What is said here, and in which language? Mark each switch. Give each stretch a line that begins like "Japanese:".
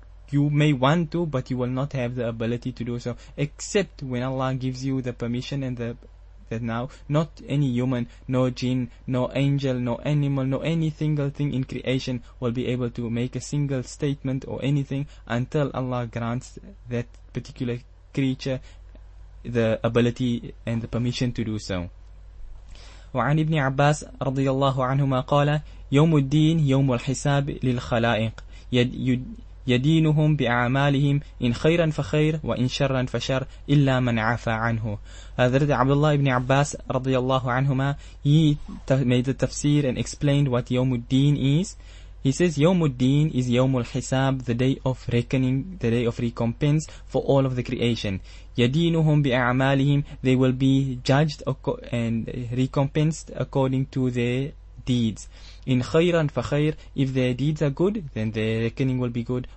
English: You may want to, but you will not have the ability to do so, except when Allah gives you the permission and the that now, not any human, no jinn, no angel, no animal, no any single thing in creation will be able to make a single statement or anything until Allah grants that particular creature the ability and the permission to do so.
Arabic: وعن ابن عباس رضي الله عنهما قال يوم الدين يوم الحساب للخلائق يدينهم بأعمالهم إن خيرا فخير وإن شرا فشر إلا من عفا عنه.
English: حضرت عبد الله بن عباس رضي الله عنهما, he made the tafsir and explained what يوم الدين is. He says يوم الدين is يوم الحساب, the day of reckoning, the day of recompense for all of the creation.
Arabic: يدينهم بأعمالهم,
English: they will be judged and recompensed according to their deeds.
Arabic: In khayran fakhayr,
English: if their deeds are good, then their reckoning will be good.